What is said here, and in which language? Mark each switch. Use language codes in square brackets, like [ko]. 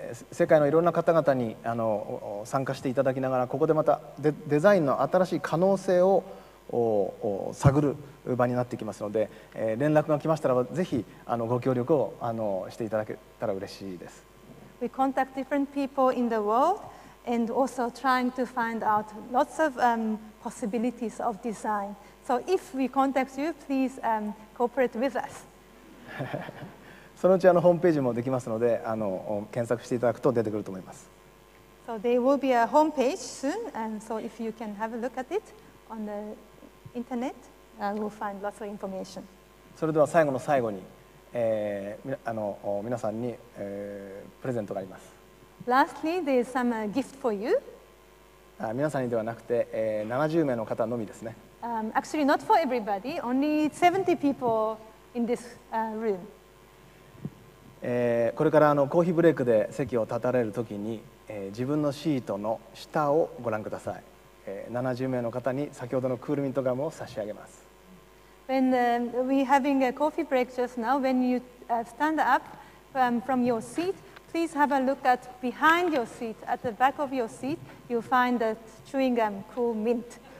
[ja] 世界のいろんな方々に参加していただきながら、ここでまた デザインの新しい可能性を探る場になってきますので、連絡が来ましたらぜひご協力をしていただけたら嬉しいです。 [en] We contact different people in the world and also trying to find out lots of possibilities of design. So if we contact you, please cooperate with us. [ja] そのうちホームページもできますので検索していただくと出てくると思います。 [en] So there will be a homepage soon, and so if you can have a look at it on the internet, we'll find lots of information. [ja] それでは最後の最後に、皆さんに、プレゼントがあります。 [en] Lastly, there's some gift for you. [ja] 皆さんにではなくて、70名の方のみですね。 [en] Actually, not for everybody, only 70 people in this room. [ja] これからコーヒーブレイクで席を立たれるときに、自分のシートの下をご覧ください。 70名の方に先ほどのクールミントガムを差し上げます。 [en] When we're having a coffee break just now, when you stand up from your seat, please have a look at behind your seat, at the back of your seat, you'll find that chewing gum, cool mint.